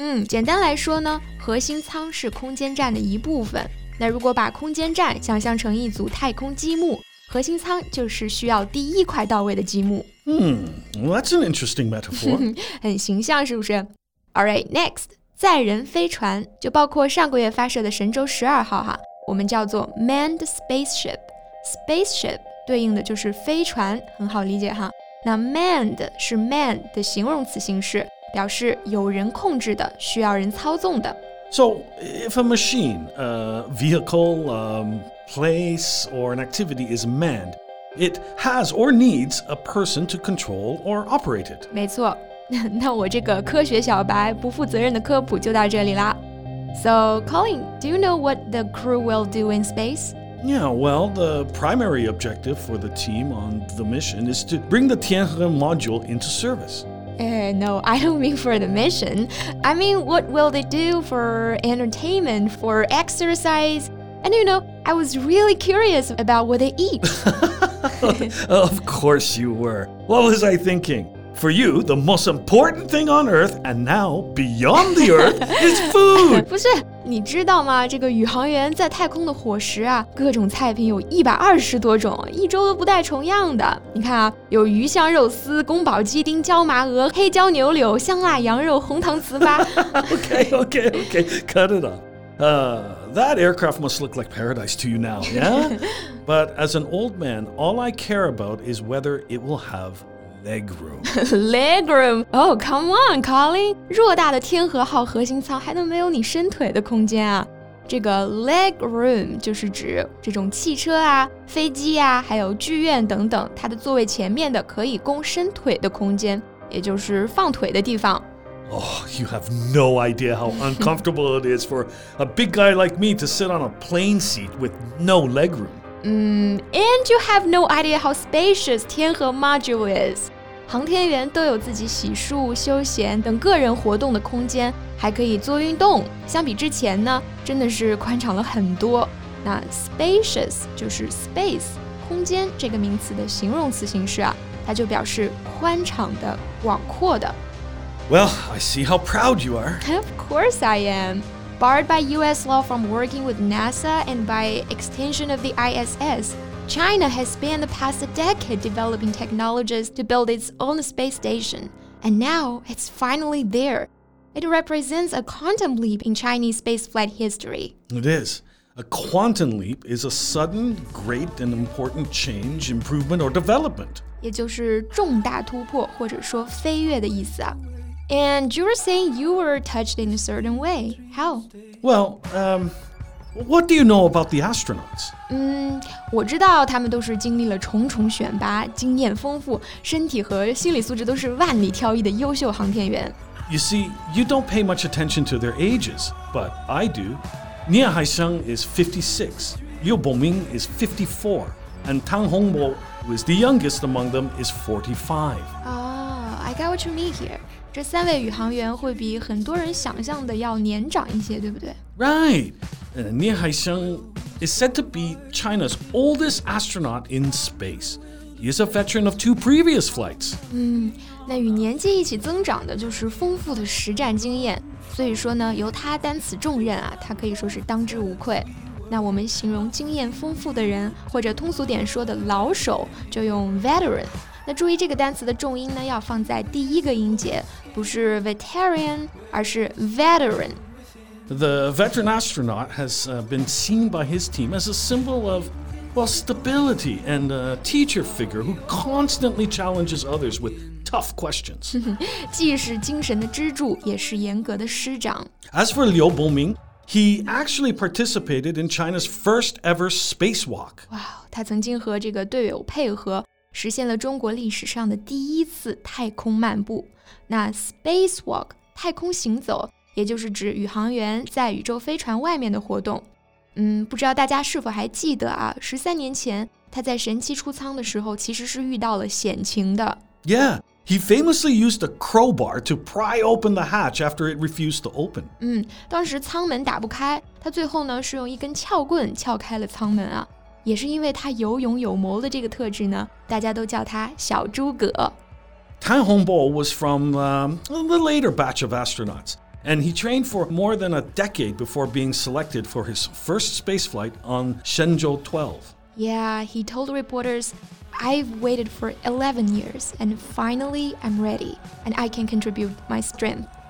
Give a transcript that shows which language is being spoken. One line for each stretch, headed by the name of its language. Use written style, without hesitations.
Chinese: 简单来说呢，核心舱是空间站的一部分。那如果把空间站想象成一组太空积木，核心舱就是需要第一块到位的积木。
English: That's an interesting metaphor.
Chinese: 很形象是不是？
English: Alright, next,
Chinese: 载人飞船，就包括上个月发射的神舟12号哈，我们叫做 manned spaceship. Spaceship 对应的就是飞船，很好理解哈。那 manned 是 man 的形容词形式，表示有人控制的，需要人操纵的。
English: So, if a machine, a vehicle, a place, or an activity is manned, it has or needs a person to control or operate it.
Chinese: 没错，那我这个科学小白不负责任的科普就到这里啦。
English: So, Colin, do you know what the crew will do in space? Yeah, well, the primary objective for the team on the mission is to bring the Tianhe module into service. No, I don't mean for the mission. I mean, what will they do for entertainment, for exercise? And you know, I was really curious about what they eat. Of course you were. What was I thinking? For you, the most important thing on Earth, and now beyond the Earth, is food!
Chinese: 不是你知道吗？这个宇航员在太空的伙食啊，各种菜品有120多种，一周都不带重样的。你看啊，有鱼香肉丝、宫保鸡丁、椒麻鹅、黑椒牛柳、香辣羊肉、红糖糍粑。
English: okay, cut it off. That aircraft must look like paradise to you now, yeah? But as an old man, all I care about is whether it will have leg room. Leg room? Oh, come on, Colin.
Chinese: 偌大的天河号核心舱还能没有你伸腿的空间啊？这个 leg room 就是指这种汽车啊、飞机啊、还有剧院等等，它的座位前面的可以供伸腿的空间，也就是放腿的地方。
English: Oh, you have no idea how uncomfortable it is for a big guy like me to sit on a plane seat with no leg room. And you have no idea how spacious 天河 module is.
Chinese: 航天员都有自己洗漱、休闲等个人活动的空间，还可以做运动。相比之前呢，真的是宽敞了很多。那 spacious 就是 space 空间这个名词的形容词形式啊，它就表示宽敞的、广阔的。
English: Well, I see how proud you are. Of course I am. Barred by US law from working with NASA and by extension of the ISS, China has spent the past decade developing technologies to build its own space station. And now, it's finally there. It represents a quantum leap in Chinese spaceflight history. It is. A quantum leap is a sudden, great, and important change, improvement, or development.
Chinese: 也就是重大突破或者说飞跃的意思啊。
English: And you were saying you were touched in a certain way. How? Well, what do you know about the astronauts?
Chinese: 我知道他们都是经历了重重选拔，经验丰富，身体和心理素质都是万里挑一的优秀航天员。
English: You see, you don't pay much attention to their ages, but I do. Nia Haisheng is 56, Liu Boming is 54, and Tang Hongbo, who is the youngest among them, is 45. Oh, I got what you mean here.
Chinese: 这三位宇航员会比很多人想象的要年长一些，对不对
English: ？Right. Nia Haisheng is said to be China's oldest astronaut in space. He is a veteran of two previous flights.
Chinese: 那与年纪一起增长的就是丰富的实战经验。所以说呢，由他担此重任啊，他可以说是当之无愧。那我们形容经验丰富的人，或者通俗点说的老手，就用 veteran。那注意这个单词的重音呢，要放在第一个音节，不是 veteran， 而是 veteran。
English: The veteran astronaut has been seen by his team as a symbol of, well, stability and a teacher figure who constantly challenges others with tough questions.
Chinese: 既是精神的支柱，也是严格的师长。
English: As for Liu Boming, he actually participated in China's first ever spacewalk.
Chinese: 哇，他曾经和这个队友配合。实现了中国历史上的第一次太空漫步。那 spacewalk 太空行走，也就是指宇航员在宇宙飞船外面的活动。不知道大家是否还记得啊？13年前，他在神七出舱的时候，其实是遇到了险情的。
English: Yeah, he famously used a crowbar to pry open the hatch after it refused to open.
Chinese: 当时舱门打不开，他最后呢是用一根撬棍撬开了舱门啊。也是因为他有勇有谋的这个特质呢，大家都叫他小诸葛。
English: Tan Hongbo was from the later batch of astronauts, and he trained for more than a decade before being selected for his first spaceflight on Shenzhou 12. Yeah, he told reporters, I've waited for 11 years, and finally I'm ready, and I can contribute my strength.